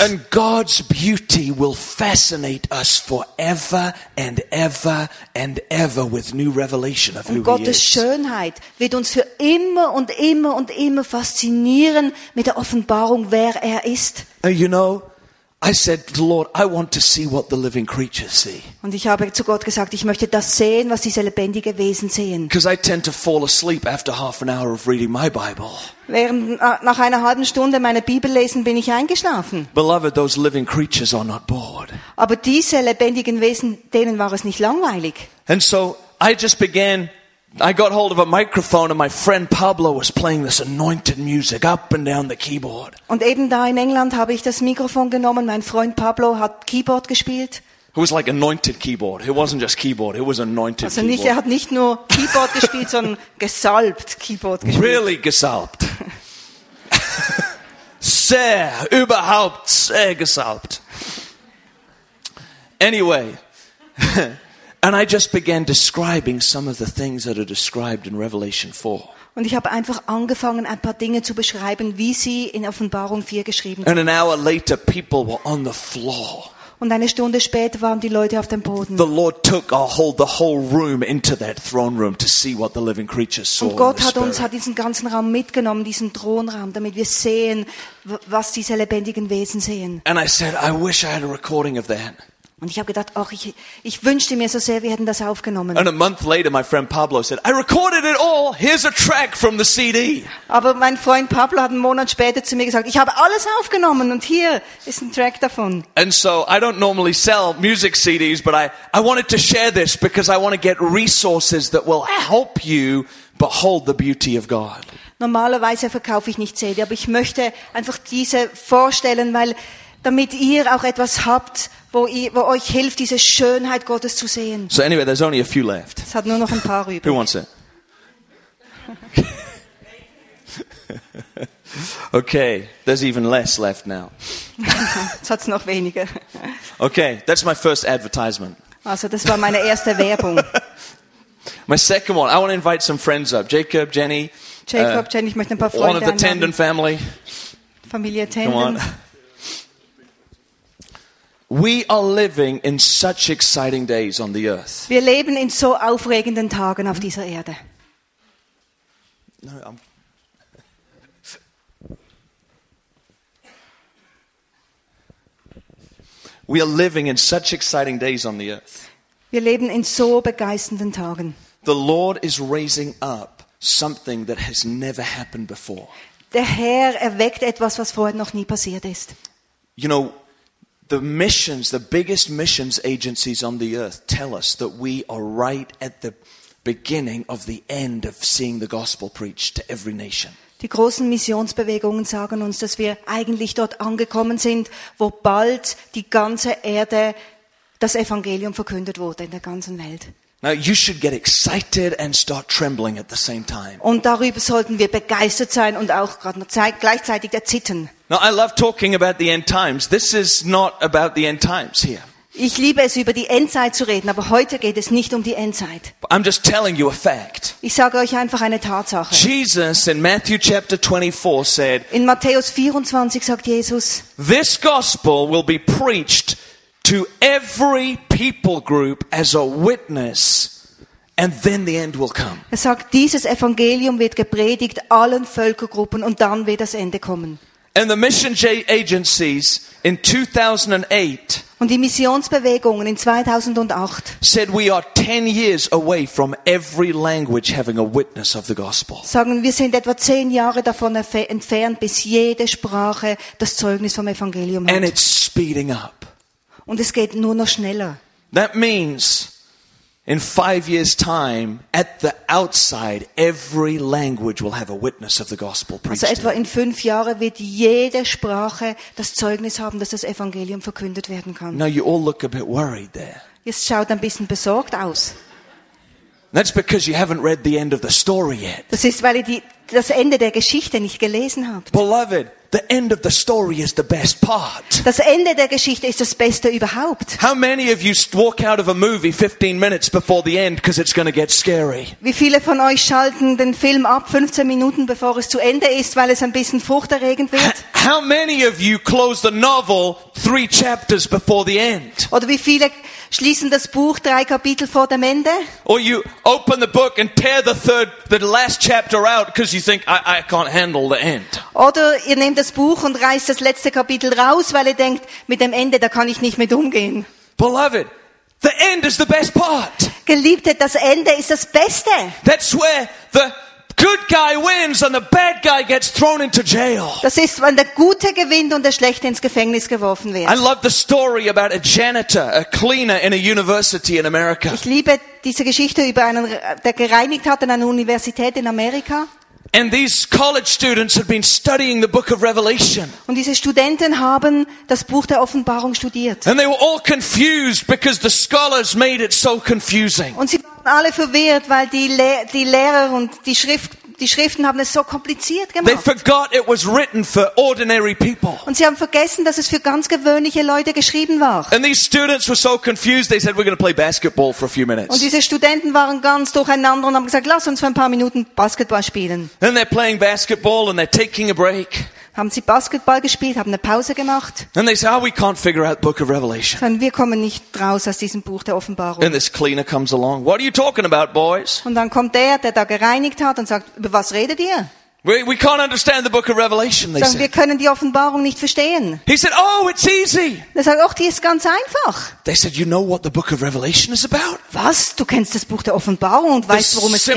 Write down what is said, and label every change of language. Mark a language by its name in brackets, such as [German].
[English] And God's beauty will fascinate us forever and ever and ever with new revelation of who He is. [German] Und Gottes Schönheit wird uns für immer und immer und immer faszinieren mit der Offenbarung, wer er ist. [English] You know, I said, Lord, I want to see what the living creatures see. [German] Und ich habe zu Gott gesagt, ich möchte das sehen, was diese lebendigen Wesen sehen. [English] Because I tend to fall asleep after half an hour of reading my Bible. [German] Während nach einer halben Stunde meine Bibel lesen, bin ich eingeschlafen. [English] Beloved, those living creatures are not bored. [German] Aber diese lebendigen Wesen, denen war es nicht langweilig. [English] And so I just began. I got hold of a microphone and my friend Pablo was playing this anointed music up and down the keyboard. [German] Und eben da in England habe ich das Mikrofon genommen. Mein Freund Pablo hat Keyboard gespielt. [English] It was like anointed keyboard. It wasn't just keyboard. It was anointed keyboard. [German] Also nicht, er hat nicht nur Keyboard gespielt, sondern gesalbt Keyboard gespielt. [English] Really [German] gesalbt. Sehr, überhaupt sehr gesalbt. [English] Anyway. And I just began describing some of the things that are described in Revelation 4. [German] Und ich habe einfach angefangen, ein paar Dinge zu beschreiben, wie sie in Offenbarung 4 geschrieben sind. [English] And an hour later, people were on the floor. [German] Und eine Stunde später waren die Leute auf dem Boden. [English] The Lord took the whole room into that throne room to see what the living creatures saw. [German] Und Gott hat diesen ganzen Raum mitgenommen, diesen Thronraum, damit wir sehen, was diese lebendigen Wesen sehen. [English] And I said, I wish I had a recording of that. [German] Und ich habe gedacht, ach, ich wünschte mir so sehr, wir hätten das aufgenommen. [English] And a month later, my friend Pablo said, I recorded it all. Here's a track from the CD. [German] Aber mein Freund Pablo hat einen Monat später zu mir gesagt, ich habe alles aufgenommen und hier ist ein Track davon. [English] And so I don't normally sell music CDs, but I wanted to share this because I want to get resources that will help you behold the beauty of God. [German] Normalerweise verkaufe ich nicht CD, aber ich möchte einfach diese vorstellen, weil damit ihr auch etwas habt, wo euch hilft, diese Schönheit Gottes zu sehen. [English] So anyway, there's only a few left. [German] Es hat nur noch ein paar übrig. [English] Who wants it? Okay, there's even less left now. [German] Es hat noch weniger. [English] Okay, that's my first advertisement. [German] Also, das war meine erste Werbung. [English] My second one, I want to invite some friends up. Jacob, Jenny. [German] Jacob, Jenny, ich möchte ein paar Freunde einladen. [English] One of the Tendon family. [German] Familie Tendon. [English] Come on. We are living in such exciting days on the earth. [German] Wir leben in so aufregenden Tagen auf dieser Erde. [English] We are living in such exciting days on the earth. [German] Wir leben in so begeisternden Tagen. [English] The Lord is raising up something that has never happened before. [German] Der Herr erweckt etwas, was vorher noch nie passiert ist. [English] You know, the missions, the biggest missions agencies on the earth tell us that we are right at the beginning of the end of seeing the gospel preached to every nation. [German] Die großen Missionsbewegungen sagen uns, dass wir eigentlich dort angekommen sind, wo bald die ganze Erde das Evangelium verkündet wurde in der ganzen Welt. [English] Now you should get excited and start trembling at the same time. [German] Und darüber sollten wir begeistert sein und auch gleichzeitig erzittern. [English] Now I love talking about the end times. This is not about the end times here. [German] Ich liebe es, über die Endzeit zu reden, aber heute geht es nicht um die Endzeit. [English] I'm just telling you a fact. [German] Ich sage euch einfach eine Tatsache. [English] Jesus in Matthew chapter 24 said. [German] In Matthäus 24 sagt Jesus. [English] This gospel will be preached to every people group as a witness. And then the end will come. [German] Er sagt, dieses Evangelium wird gepredigt allen Völkergruppen und dann wird das Ende kommen. [English] And the mission agencies in 2008 [German] und die Missionsbewegungen in 2008 [English] said we are 10 years away from every language having a witness of the gospel. [German] Sagen, wir sind etwa 10 Jahre davon entfernt, bis jede Sprache das Zeugnis vom Evangelium hat. [English] And it's speeding up. [German] Und es geht nur noch schneller. [English] That means in 5 years time, at the outside, every language will have a witness of the gospel preached. [German] Also etwa in 5 Jahren wird jede Sprache das Zeugnis haben, dass das Evangelium verkündet werden kann. [English] Now you all look a bit worried there. [German] Jetzt schaut ein bisschen besorgt aus. [English] That's because you haven't read the end of the story yet. [German] Das ist, weil ihr das Ende der Geschichte nicht gelesen habt. [English] Beloved, The end of the story is the best part. [German] Das Ende der Geschichte ist das Beste überhaupt. [English] How many of you walk out of a movie 15 minutes before the end because it's going to get scary? [German] Wie viele von euch schalten den Film ab 15 Minuten bevor es zu Ende ist, weil es ein bisschen furchterregend wird? [English] How many of you close the novel 3 chapters before the end? [German] Oder wie viele schließen das Buch 3 Kapitel vor dem Ende? [English] Or you open the book and tear the last chapter out because you think I can't handle the end. [German] Oder ihr nehmt das Buch und reißt das letzte Kapitel raus, weil ihr denkt, mit dem Ende, da kann ich nicht mit umgehen. [English] Beloved, the end is the best part. [German] Geliebte, das Ende ist das Beste. [English] That's where the good guy wins and the bad guy gets thrown into jail. [German] Das ist, wenn der Gute gewinnt und der Schlechte ins Gefängnis geworfen wird. [English] I love the story about a janitor, a cleaner in a university in America. [German] Ich liebe diese Geschichte über einen, der gereinigt hat an einer Universität in Amerika. [English] And these college students had been studying the book of Revelation. [German] Und diese Studenten haben das Buch der Offenbarung studiert. [English] And they were all confused because the scholars made it so confusing. [German] Und sie waren alle verwirrt, weil die Lehrer und die Schriften haben es so kompliziert gemacht. [English] They forgot it was written for ordinary people. [German] Und sie haben vergessen, dass es für ganz gewöhnliche Leute geschrieben war. [English] And these students were so confused, they said, we're going to play basketball for a few minutes. [German] Und diese Studenten waren ganz durcheinander und haben gesagt, lass uns für ein paar Minuten Basketball spielen. [English] And they're playing basketball and they're taking a break. [German] Haben sie Basketball gespielt, haben eine Pause gemacht. [English] And they say, oh, we can't figure out the book of Revelation. [German] Und wir kommen nicht raus aus diesem Buch der Offenbarung. [English] And this cleaner comes along. What are you talking about, boys? [German] Und dann kommt der, der da gereinigt hat und sagt, über was redet ihr? [English] We can't understand the book of Revelation, they said. [German] Sagen, wir können die Offenbarung nicht verstehen. [English] He said, oh, it's easy. [German] Er sagt, ach, die ist ganz einfach. [English] They said, you know what the book of Revelation is about? [German] Was? Du kennst das Buch der Offenbarung und weißt, worum es geht?